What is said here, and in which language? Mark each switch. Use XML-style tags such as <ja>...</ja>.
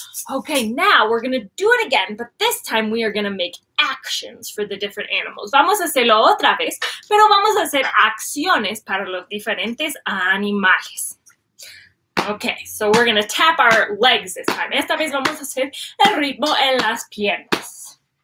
<en>Okay, now we're going to do it again, but this time we are going to make actions for the different animals.</en> <es>Vamos a hacerlo otra vez, pero vamos a hacer acciones para los diferentes animales.</es> <en>Okay, so we're going to tap our legs this time.</en> <es>Esta vez vamos a hacer el ritmo en las piernas.</es>